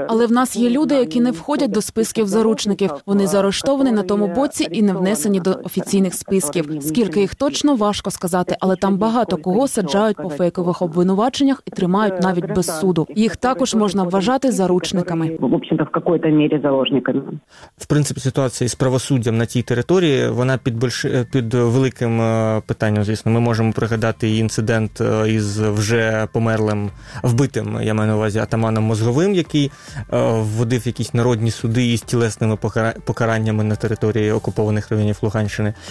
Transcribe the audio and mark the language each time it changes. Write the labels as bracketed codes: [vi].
[uk] Але в нас є люди, які не входять до списків заручників. Вони заарештовані на тому боці і не внесені до офіційних списків. Скільки їх точно, важко сказати, але там багато кого саджають по фейкових обвинуваченнях і тримають навіть без суду. Їх також можна вважати заручниками. [ru] В общем-то, в какой-то мере заложниками. [uk] В принципі, ситуація із правосуддям на тій території, вона під великим питанням, звісно. Ми можемо пригадати інцидент із вже померлим вбитим, я маю на увазі, атаманом Мозговим, який вводив якісь народні суди із тілесними покараннями на території окупованих районів Луганщини.